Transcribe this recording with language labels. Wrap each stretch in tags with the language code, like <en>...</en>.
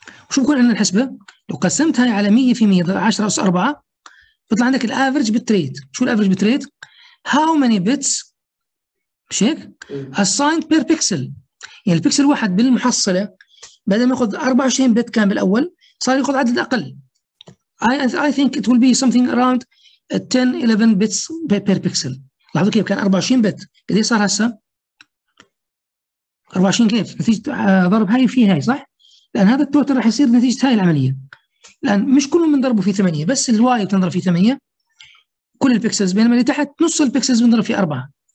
<ar>وشو بكون عندنا الحسبه؟ لو قسمت هاي على 100% 10 اس 4 بيطلع عندك الافريج بتريت شو الافريج بتريت؟</ar> <en>how many bits</en> <ar>مش هيك؟</ar> <en>assigned per pixel</en> <ar>يعني البكسل واحد بالمحصله بدل ما ياخذ 24 بت كان بالاول صار ياخذ عدد اقل.</ar> <en>I think it will be something around 10 11 bits per pixel.</en> <ar>لاحظوا كيف كان 24 بت، قد ايش صار هسه؟ 24 كيف؟ نتيجه ضرب هاي في هاي صح؟ لان هذا التوتر راح يصير نتيجه هاي العمليه. لان مش كلهم بنضربوا في 8 بس الواي بتنضرب في 8 كل البكسلز بينما اللي تحت نص البكسلز بنضرب في 4.</ar>